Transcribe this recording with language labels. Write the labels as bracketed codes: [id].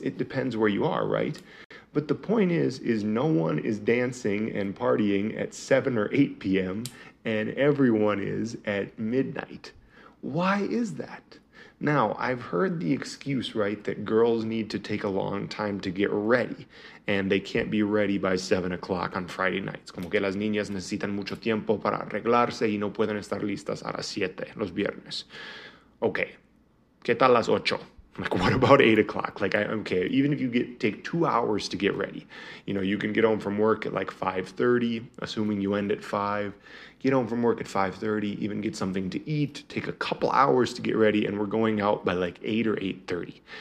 [en] It depends where you are, right? But the point is no one is dancing and partying at 7 or 8 p.m. and everyone is at midnight. Why is that? Now, I've heard the excuse, right, that girls need to take a long time to get ready, and they can't be ready by 7 o'clock on Friday nights. [es] Como que las niñas necesitan mucho tiempo para arreglarse y no pueden estar listas a las 7, los viernes. [en] Okay, [es] ¿qué tal las 8? [en] Like, what about 8 o'clock? Like, okay, even if you get take 2 hours to get ready, you know, you can get home from work at like 5:30, assuming you end at 5. Get home from work at 5:30, even get something to eat, take a couple hours to get ready, and we're going out by like 8 or 8:30.